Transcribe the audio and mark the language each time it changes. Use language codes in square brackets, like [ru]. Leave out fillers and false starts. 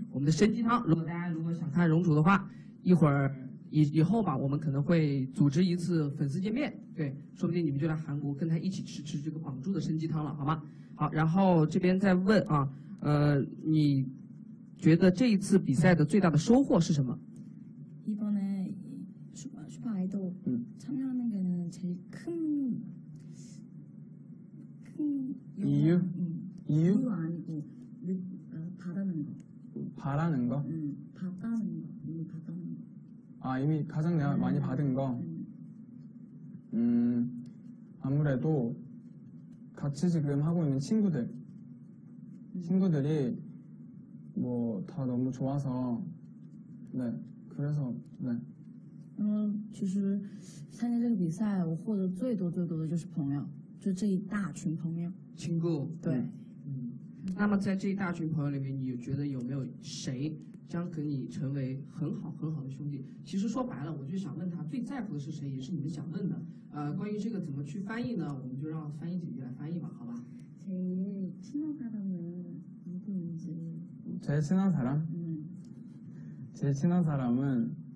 [zh] 我们的参鸡汤如果大家如果想看荣主的话一会儿以后吧我们可能会组织一次粉丝见面对说不定你们就来韩国跟他一起吃这个绑住的参鸡汤了好吗好然后这边再问你觉得这一次比赛的最大的收获是什么 [ko] 이번에 슈퍼 아이돌 참여하는게는제일큰 이유이유 아니고바라는거 바라는거 받다는거이미받다는거 아이미가장많이받은거아무래도같이지금하고있는친구들친구들이뭐다너무좋아서네그래서네 [zh] 其实参加这个比赛我获得最多最多的就是朋友就这一大群朋友 [ko] 친구 [zh] 对那么在这一大群朋友里面你觉得有没有谁将跟你成为很好很好的兄弟其实说白了我就想问他最在乎的是谁也是你们想问的关于这个怎么去翻译呢我们就让翻译姐姐来翻译吧好吧 [ko] 제일친한사람은누구인지 제일친한사람제일친한사람은